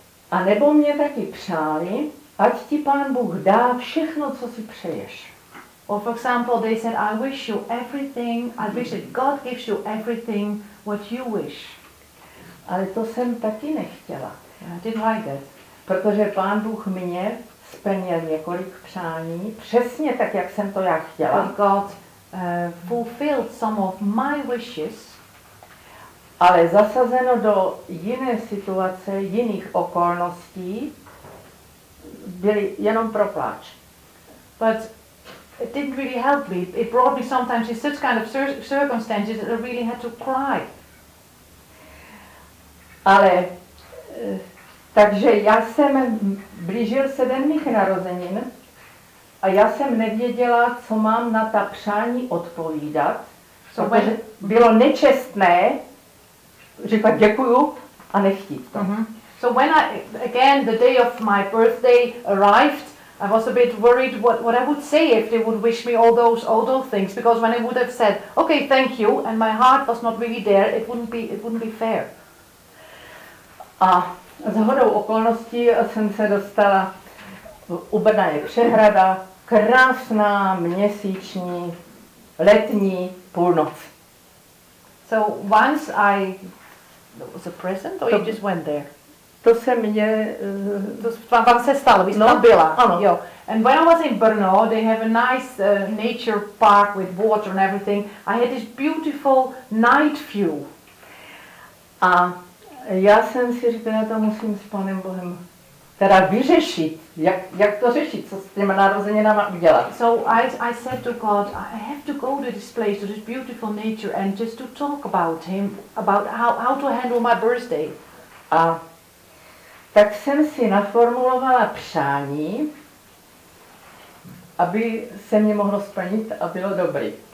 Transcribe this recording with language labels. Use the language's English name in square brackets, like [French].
[Czech] A nebo mě taky přáli, ať ti Pán Bůh dá všechno, co si přeješ. [English] Or for example, they said, I wish you everything, I wish that God gives you everything what you wish. [Czech] Ale to jsem taky nechtěla. [English] I didn't like it. [Czech] Protože Pán Bůh mě splnil několik přání, přesně tak, jak jsem to já chtěla. [English] And God fulfilled some of my wishes. [Czech] Ale zasazeno do jiné situace, jiných okolností, byly jenom pro pláč. [English] But it didn't really help me. It brought me sometimes in such kind of circumstances that I really had to cry. [Czech] Ale takže já jsem blížil se den mých narozenin a já jsem nevěděla, co mám na ta přání odpovídat, so protože when bylo nečestné říkat děkuju a nechtít to. Mm-hmm. [English] So when I, again, the day of my birthday arrived, I was a bit worried what I would say if they would wish me all those things, because when I would have said, okay, thank you, and my heart was not really there, it wouldn't be fair. [Czech] A shodou okolností jsem se dostala, u Brna je přehrada, krásná měsíční letní půlnoc. [English] So once I, that was a present, or to, you just went there? [Czech] To se mě vám se stalo, vy jste tam byla. Ano. Jo. [English] And when I was in Brno, they have a nice nature park with water and everything. I had this beautiful night view. [Czech] A já jsem si říkala, to musím s Panem Bohem teda vyřešit. Jak to řešit, co s těma narozeninama udělat? [English] So I said to God, I have to go to this place, to this beautiful nature, and just to talk about him, about how to handle my birthday. [Czech] A tak jsem si naformulovala přání, aby se mě mohlo splnit a bylo dobrý.